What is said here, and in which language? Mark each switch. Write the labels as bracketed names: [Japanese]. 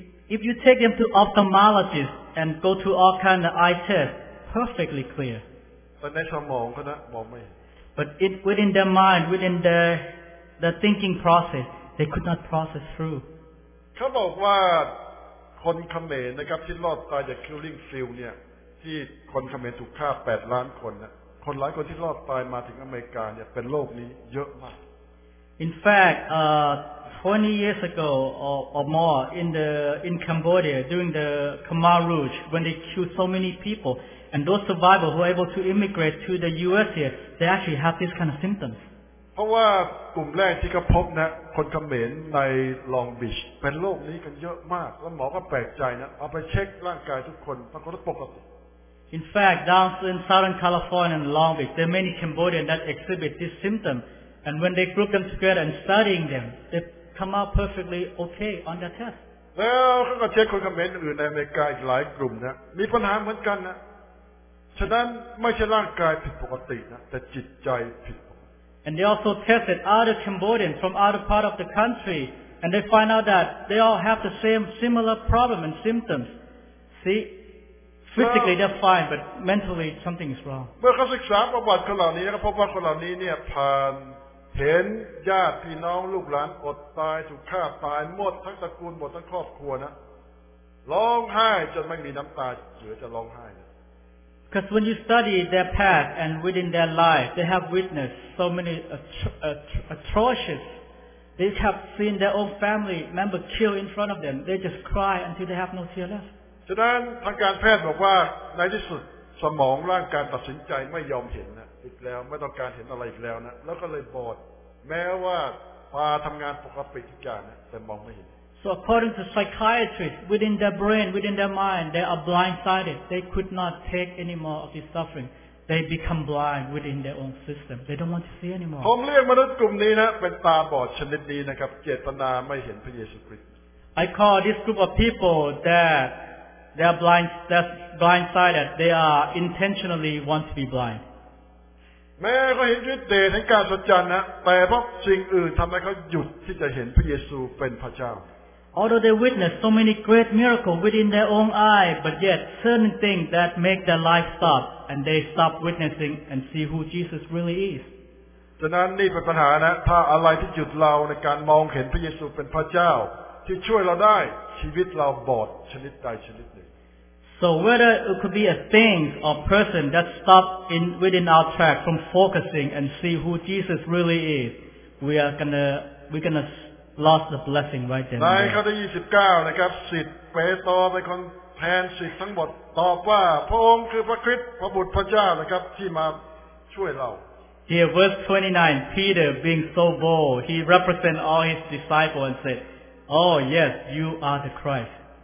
[English] If you take them to ophthalmologist and go to all kind of eye tests, perfectly clear. But within their mind, within their thinking process, they could not process through. [Thai] เขาบอกว่าคนเขมรนะครับที่รอดตายจากคิลลิ่งฟิลด์เนี่ยที่คนเขมรถูกฆ่า8ล้านคนนะคนหลายคนที่รอดตายมาถึงอเมริกาเนี่ยเป็นโรคนี้เยอะมาก [English] In fact 20 years ago or more in Cambodia during the Khmer Rouge when they killed so many people and those survivors who were able to immigrate to the US here they actually have this kind of symptoms [Thai] เพราะว่ากลุ่มแรกที่เขาพบนะคนเขมรในลองบีชเป็นโรคนี้กันเยอะมากแล้วหมอก็แปลกใจนะเอาไปเช็คร่างกายทุกคนปรากฏว่าปกติ [English] In fact down in Southern California and Long Beach there are many Cambodians that exhibit this symptom and when they group them together and studying them they come out perfectly okay on their test [Thai] แล้วก็เช็คคนเขมรอื่นในอเมริกาอีกหลายกลุ่มนะมีปัญหาเหมือนกันนะฉะนั้นไม่ใช่ร่างกายผิดปกตินะแต่จิตใจผิด [English] And they also tested other Cambodians from other part of the country, and they find out that they all have the same similar problem and symptoms. See, physically they're fine, but mentally something is wrong. [Thai] เมื่อเขาศึกษาประวัติคนเหล่านี้นะครับพบว่าคนเหล่านี้เนี่ยผ่านเห็นญาติพี่น้องลูกหลานอดตายถูกฆ่าตายหมดทั้งตระกูลหมดทั้งครอบครัวนะร้องไห้จนไม่มีน้ำตาเหลือจะร้องไห้ [English] Because when you study their path and within their life, they have witnessed so many atrocious. They have seen their own family member killed in front of them. They just cry until they have no tear left. [Thai] ฉะนั้นทางการแพทย์บอกว่าในที่สุดสมองร่างกายตัดสินใจไม่ยอมเห็นนะอีกแล้วไม่ต้องการเห็นอะไรอีกแล้วนะแล้วก็เลยบอดแม้ว่าตาทำงานปกติทุกอย่างนะแต่มองไม่เห็น [English] So according to psychiatrists, within their brain, within their mind, they are blindsided. They could not take any more of this suffering. They become blind within their own system. They don't want to see anymore. [Thai] ผมเรียกมนุษย์กลุ่มนี้นะเป็นตาบอดชนิดนี้นะครับเจตนาไม่เห็นพระเยซูคริสต์ [English] I call this group of people that they are blindsided. They are intentionally want to be blind. [Thai] แม้เขาเห็นฤทธิ์เดชแห่งการสัจจันทร์นะแต่เพราะสิ่งอื่นทำให้เขาหยุดที่จะเห็นพระเยซูเป็นพระเจ้า [English] Although they witnessed so many great miracles within their own eye, but yet certain things that make their life stop and they stop witnessing and see who Jesus really is. [Thai] ฉะนั้นนี่เป็นปัญหานะถ้าอะไรที่หยุดเราในการมองเห็นพระเยซูเป็นพระเจ้าที่ช่วยเราได้ชีวิตเราบอดชนิดใดชนิดหนึ่ง [English] So whether it could be a thing or person that stops in within our track from focusing and see who Jesus really is, we're gonna lose the blessing right there. [Thai] ในข้อที่29นะครับสิทธิ์เปโตรเป็นคนแทนสิทธิ์ทั้งหมดตอบว่าพระองค์คือพระคริสต์พระบุตรพระเจ้านะครับที่มาช่วยเรา [English] Here verse 29 Peter being so bold he represents all his disciples and said. Oh yes, you are the Christ.